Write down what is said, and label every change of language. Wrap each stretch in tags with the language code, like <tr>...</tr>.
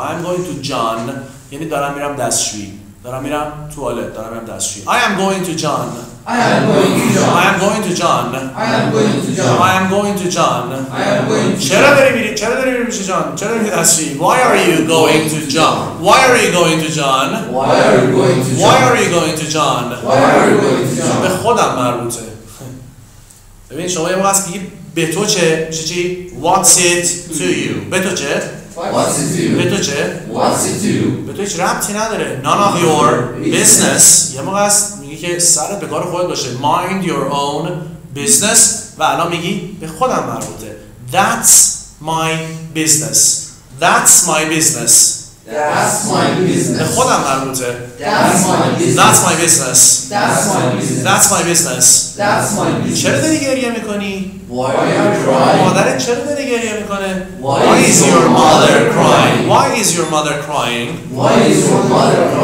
<en>I am going to John.</en> <fa>یعنی دارم میرم دستشویی. دارم میرم توالت. دارم میرم دستشویی.</fa> <en>I am going to John. I am going to John. I am going to John. I am going to John. I am going to John. I am going to.</en> <fa>چرا داری میری؟ چرا داری میری پیش جان؟ چرا داری دستشویی؟</fa> <en>Why are you going to John? Why are you going to John? Why are you going to John? Why are you going to John? Why are you going to John?</en> <fa>به خودم مربوطه. ببین شما یه موقع هست بگید به تو چه؟ میشه چی؟</fa> <en>What's it to you؟</en> <fa>به تو چه؟</fa> <en>What's it to you؟</en> <fa>به تو چه؟</fa> <en>What's it to you؟</en> <fa>به تو هیچ ربطی نداره.</fa> <en>None of your business.</en> <fa>یه موقع هست میگی که سرت به کار خودت باشه.</fa> <en>Mind your own business.</en> <fa>و الان میگی به خودم مربوطه.</fa> <en>That's my business. That's my business. That's my business.</en> <fa>به خودم مربوطه.</fa> <en>That's my business. That's my business. That's my business. That's my business. That's my business.</en> <fa>چرا داری گریه میکنی؟</fa> <en>Why are you crying?</en> <fa>مادرت چرا داری گریه میکنه؟</fa> <en>Why is your mother crying? Why is your mother crying? Why is your mother crying?</en>